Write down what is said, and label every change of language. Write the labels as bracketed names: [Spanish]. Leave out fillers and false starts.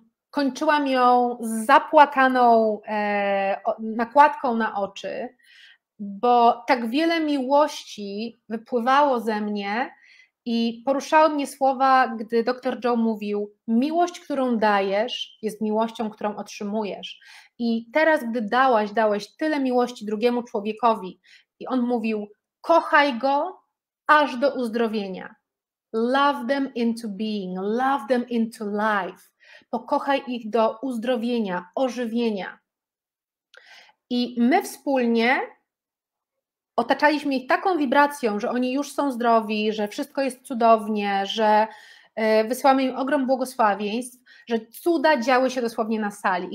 [Polish] Kończyłam ją z zapłakaną nakładką na oczy, bo tak wiele miłości wypływało ze mnie i poruszały mnie słowa, gdy dr Joe mówił: miłość, którą dajesz, jest miłością, którą otrzymujesz. I teraz, gdy dałeś tyle miłości drugiemu człowiekowi, i on mówił: kochaj go aż do uzdrowienia. [English] Love them into being, love them into life. [Polish] Pokochaj ich do uzdrowienia, ożywienia. I my wspólnie otaczaliśmy ich taką wibracją, że oni już są zdrowi, że wszystko jest cudownie, że wysłamy im ogrom błogosławieństw, że cuda działy się dosłownie na sali.